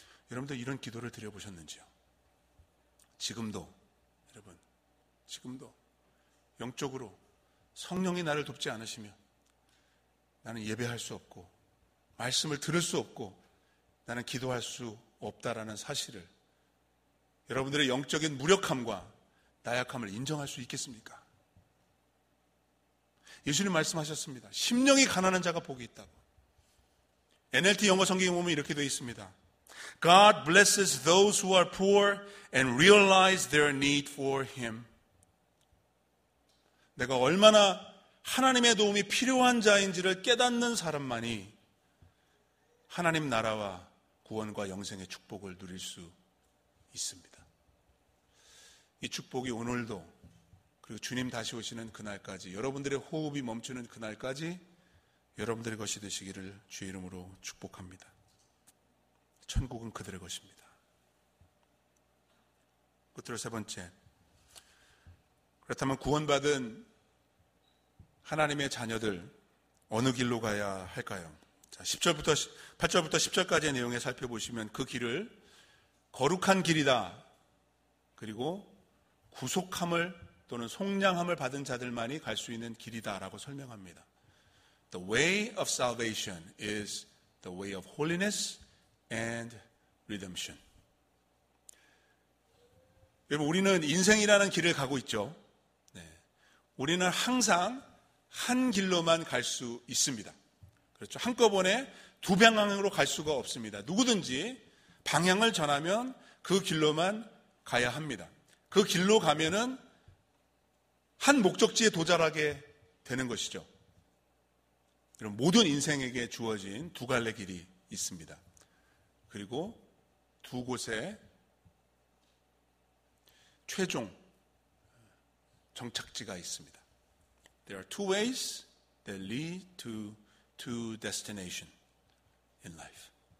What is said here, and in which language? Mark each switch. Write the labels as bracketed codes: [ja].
[ko] 여러분들 이런 기도를 드려보셨는지요? 지금도 여러분 지금도 영적으로 성령이 나를 돕지 않으시면 나는 예배할 수 없고 말씀을 들을 수 없고 나는 기도할 수 없다라는 사실을 여러분들의 영적인 무력함과 나약함을 인정할 수 있겠습니까? 예수님 말씀하셨습니다. 심령이 가난한 자가 복이 있다고. NLT 영어 성경에 보면 이렇게 되어 있습니다. [en] God blesses those who are poor and realize their need for Him. [ko] 내가 얼마나 하나님의 도움이 필요한 자인지를 깨닫는 사람만이 하나님 나라와 구원과 영생의 축복을 누릴 수 있습니다. 이 축복이 오늘도 그리고 주님 다시 오시는 그날까지 여러분들의 호흡이 멈추는 그날까지 여러분들의 것이 되시기를 주 이름으로 축복합니다. 천국은 그들의 것입니다. 끝으로 세 번째, 그렇다면 구원받은 하나님의 자녀들 어느 길로 가야 할까요? 자, 10절부터 8절부터 10절까지의 내용에 살펴보시면 그 길을 거룩한 길이다 그리고 구속함을 또는 속량함을 받은 자들만이 갈 수 있는 길이다라고 설명합니다. [en] The way of salvation is the way of holiness and redemption. [ko] 여러분 우리는 인생이라는 길을 가고 있죠. 네. 우리는 항상 한 길로만 갈 수 있습니다. 그렇죠. 한꺼번에 두 방향으로 갈 수가 없습니다. 누구든지 방향을 전하면 그 길로만 가야 합니다. 그 길로 가면은 한 목적지에 도달하게 되는 것이죠. 그럼 모든 인생에게 주어진 두 갈래 길이 있습니다. 그리고 두 곳에 최종 정착지가 있습니다. [en] There are two ways that lead to two destinations in life.